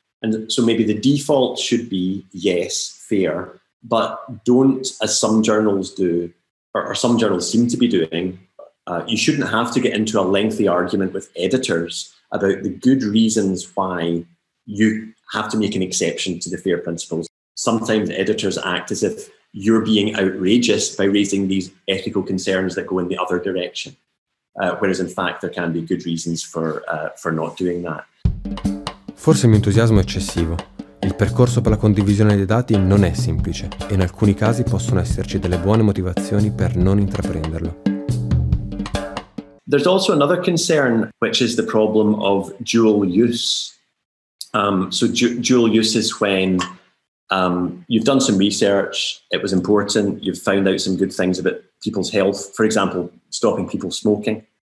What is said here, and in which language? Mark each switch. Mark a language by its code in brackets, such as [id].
[en] And so maybe the default should be, yes, FAIR, but don't, as some journals do, or some journals seem to be doing, you shouldn't have to get into a lengthy argument with editors about the good reasons why you have to make an exception to the FAIR principles. Sometimes editors act as if you're being outrageous by raising these ethical concerns that go in the other direction, whereas in fact there can be good reasons for not doing that. [it] Forse il mio entusiasmo è eccessivo. Il percorso per la condivisione dei dati non è semplice e in alcuni casi possono esserci delle buone motivazioni per non intraprenderlo. [en] There's also another concern, which is the problem of dual use. Dual use is when you've done some research, it was important, you've found out some good things about people's health, for example, stopping people smoking.